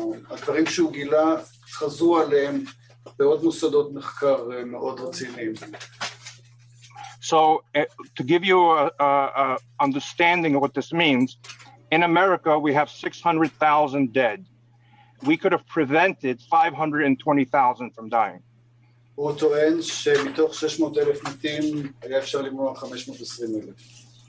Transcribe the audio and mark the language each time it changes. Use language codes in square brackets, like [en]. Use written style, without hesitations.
[he] הדברים שהוא גילה חזו עליהם בעוד מוסדות מחקר מאוד רציניים. [en] So, to give you a understanding of what this means, in America we have 600,000 dead. We could have prevented 520,000 from dying. [he] הוא טוען שמתוך 600,000 מתים היה אפשר למנוע 520,000.